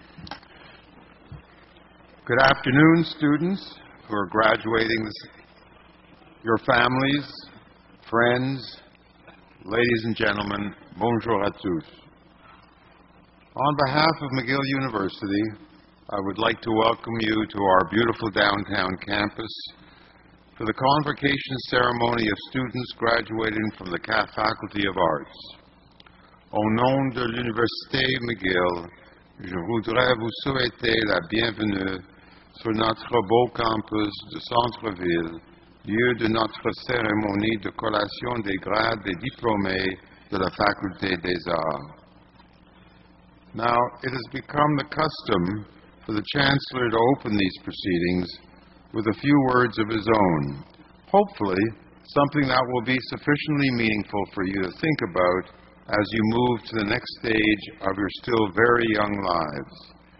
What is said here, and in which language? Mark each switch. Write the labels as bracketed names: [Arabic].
[English] Good afternoon, students who are graduating, your families, friends, ladies and gentlemen, [French] bonjour à tous. [English] On behalf of McGill University, I would like to welcome you to our beautiful downtown campus for the convocation ceremony of students graduating from the Faculty of Arts. [French] Au nom de l'Université McGill, je voudrais vous souhaiter la bienvenue sur notre beau campus de centre-ville, lieu de notre cérémonie de collation des grades des diplômés de la Faculté des Arts. [English] Now, it has become the custom for the Chancellor to open these proceedings with a few words of his own, hopefully something that will be sufficiently meaningful for you to think about as you move to the next stage of your still very young lives.